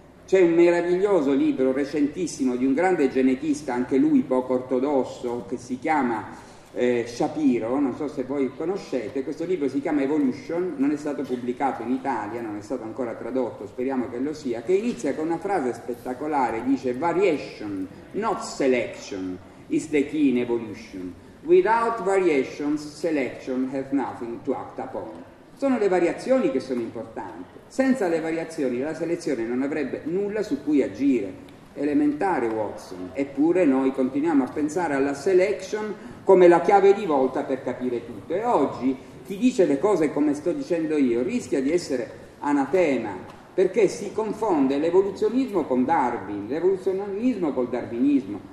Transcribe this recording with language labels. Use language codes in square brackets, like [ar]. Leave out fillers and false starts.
[it] C'è un meraviglioso libro recentissimo di un grande genetista, anche lui poco ortodosso, che si chiama Shapiro, non so se voi conoscete. Questo libro si chiama Evolution, non è stato pubblicato in Italia, non è stato ancora tradotto, speriamo che lo sia, che inizia con una frase spettacolare, dice: [en] "Variation, not selection, is the key in evolution. Without variations, selection has nothing to act upon." [it] Sono le variazioni che sono importanti. Senza le variazioni la selezione non avrebbe nulla su cui agire. Elementare, Watson. Eppure noi continuiamo a pensare alla selection come la chiave di volta per capire tutto. E oggi chi dice le cose come sto dicendo io rischia di essere anatema, perché si confonde l'evoluzionismo con Darwin, l'evoluzionismo col darwinismo.